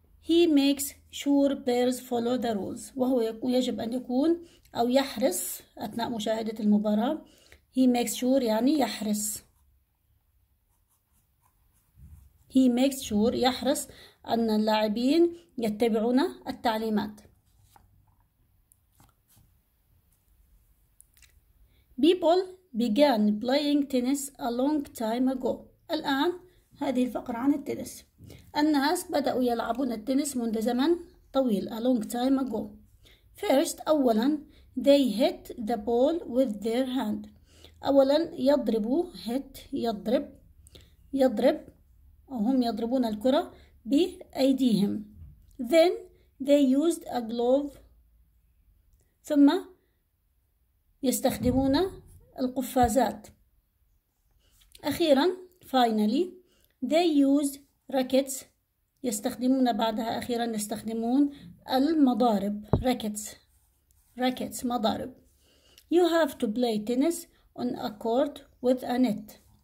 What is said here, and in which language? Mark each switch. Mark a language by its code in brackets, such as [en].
[ar] He makes sure players follow the rules وهو يجب أن يكون أو يحرص أثناء مشاهدة المباراة. [en] He makes sure يعني يحرص. [ar] He makes sure يحرص أن اللاعبين يتبعون التعليمات. [en] People began playing tennis a long time ago. [ar] الآن هذه الفقرة عن التنس. الناس بدأوا يلعبون التنس منذ زمن طويل. [en] A long time ago. First, أولا they hit the ball with their hand. [ar] أولا يضربوا hit يضرب وهم يضربون الكرة بأيديهم. [en] Then they used a glove. ثم يستخدمون القفازات. أخيرا finally they used rackets. [ar] يستخدمون بعدها أخيرا يستخدمون المضارب rackets مضارب. [en] You have to play tennis on a court with a net.